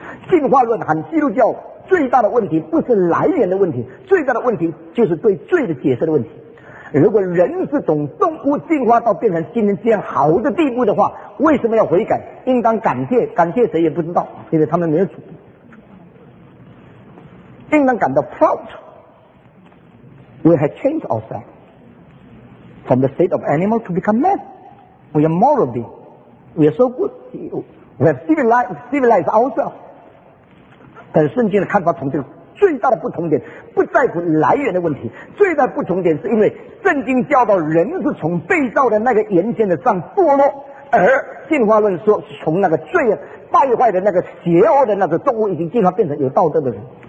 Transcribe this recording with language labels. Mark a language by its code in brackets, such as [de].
[zh] 进化论和基督教最大的问题不是来源的问题，最大的问题就是对罪的解释的问题。如果人是从动物进化到变成今天这样好的地步的话，为什么要悔改？应当感谢，感谢谁也不知道，因为他们没有主。应当感到 [en] proud， We have changed ourselves from the state of animal to become man. We are moral being. We are so good. We have civilized ourselves. [zh] 但是圣经的看法从这个最大的不同点不在乎来源的问题，最大的不同点是因为圣经教导人是从被造的那个原先的上堕落，而进化论说是从那个罪败坏的那个邪恶的那个动物已经进化变成有道德的人。